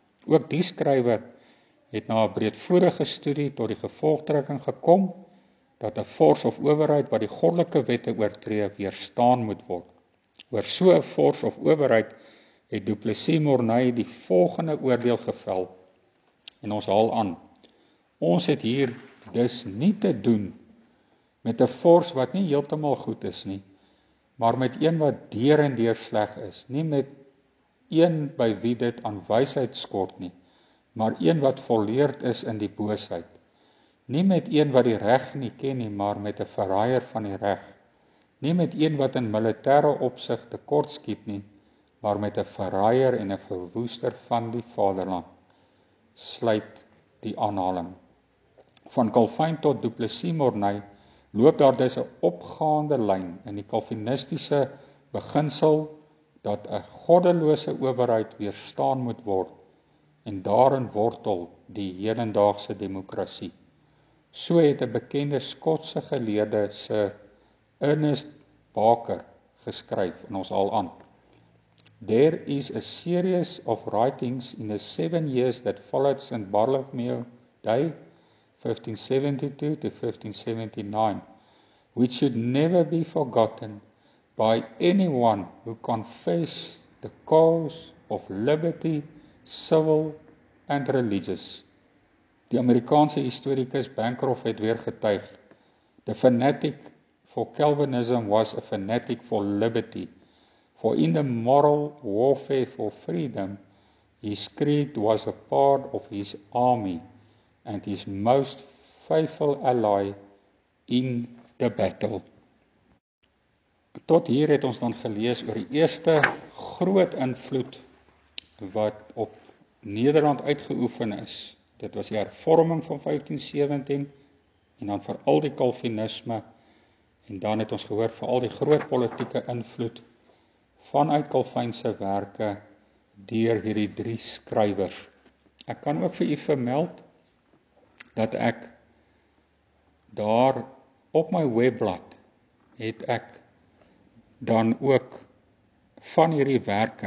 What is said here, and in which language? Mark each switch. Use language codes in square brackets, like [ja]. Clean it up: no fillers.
[af] Ook die skrywer het na 'n breedvoerige studie tot die gevolgtrekking gekom dat 'n vors of owerheid wat die goddelike wette oortree weerstaan moet word. Oor so 'n vors of owerheid het Du Plessis Mornay die volgende oordeel gevel en ons haal aan. Ons het hier dus nie te doen met 'n vors wat nie heeltemal goed is nie, maar met een wat deur en deur sleg is, nie met een by wie dit aan wysheid skort nie, maar een wat volleerd is in die boosheid. Nie met een wat die reg nie ken nie, maar met 'n verraaier van die reg. Nie met een wat in militêre opsig tekortskiet nie, maar met 'n verraaier en 'n verwoester van die vaderland. Sluit die aanhaling. Van Calvin tot Du Plessis Mornay loop daar dus 'n opgaande lyn in die calvinistiese beginsel dat 'n goddelose owerheid weerstaan moet word en daarin wortel die hedendaagse demokrasie. So het 'n bekende Skotse geleerde se Ernest Barker geskryf en ons al aan. [en] There is a series of writings in the 7 years that followed St. Bartholomew Day 1572 to 1579, which should never be forgotten by anyone who confess the cause of liberty, civil and religious. [af] Die Amerikaanse historikus Bancroft het weer getuig, [en] the fanatic for Calvinism was a fanatic for liberty, for in the moral warfare for freedom, his creed was a part of his army and his most faithful ally in the battle. [af] Tot hier het ons dan gelees oor die eerste groot invloed wat op Nederland uitgeoefen is. Dit was die hervorming van 1517 en dan vir al die Calvinisme en dan het ons gehoor vir al die groot politieke invloed vanuit Calvinse werke deur hierdie drie skrywers. Ek kan ook vir u vermeld dat ek daar op my webblad het ek dan ook van hierdie werke.